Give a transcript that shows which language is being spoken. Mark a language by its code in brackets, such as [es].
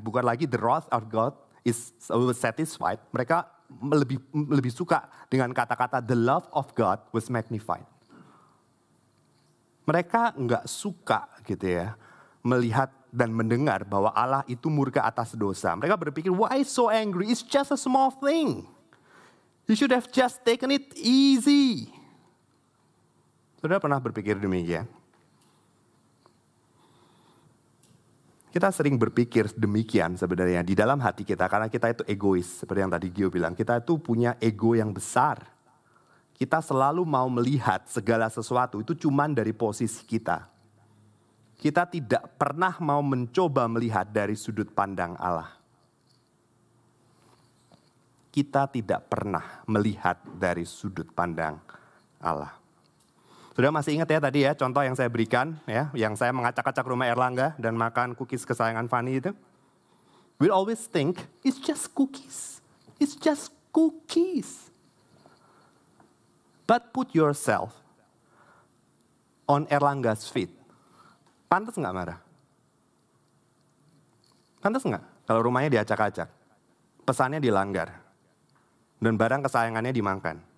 [id] Bukan lagi [en] the wrath of God is satisfied. [id] Mereka lebih suka dengan kata-kata [en] the love of God was magnified. [id] Mereka enggak suka gitu ya melihat dan mendengar bahwa Allah itu murka atas dosa. Mereka berpikir, [en] why so angry? It's just a small thing. You should have just taken it easy. [id] Saudara pernah berpikir demikian? Kita sering berpikir demikian sebenarnya di dalam hati kita. Karena kita itu egois. Seperti yang tadi Gio bilang, kita itu punya ego yang besar. Kita selalu mau melihat segala sesuatu itu cuman dari posisi kita. Kita tidak pernah mau mencoba melihat dari sudut pandang Allah. Kita tidak pernah melihat dari sudut pandang Allah. Sudah masih ingat ya tadi ya contoh yang saya berikan ya, yang saya mengacak-acak rumah Erlangga dan makan cookies kesayangan Fanny itu. [en] We always think it's just cookies. It's just cookies. But put yourself on Erlangga's feet. [id] Pantas gak marah? Pantas gak? Kalau rumahnya diacak-acak, pesannya dilanggar, dan barang kesayangannya dimakan.